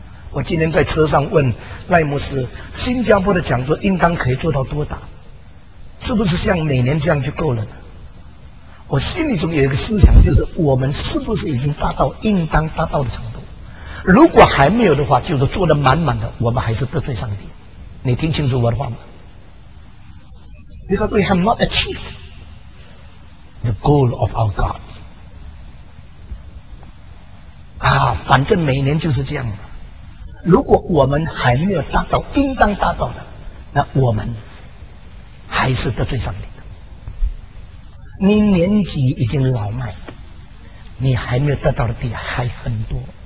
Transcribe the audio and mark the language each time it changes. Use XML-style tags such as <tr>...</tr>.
<zh>我今天在车上问赖牧师，新加坡的讲座应当可以做到多大，是不是像每年这样就够了呢？我心里中有一个思想，就是我们是不是已经达到应当达到的程度？如果还没有的话，就是做得满满的，我们还是得罪上帝。你听清楚我的话吗？</zh> <en>Because we have not achieved the goal of our God.</en> <zh>啊，反正每年就是这样的。如果我们还没有达到应当达到的，那我们还是得罪上帝。你年纪已经老迈，你还没有得到的地还很多。</zh>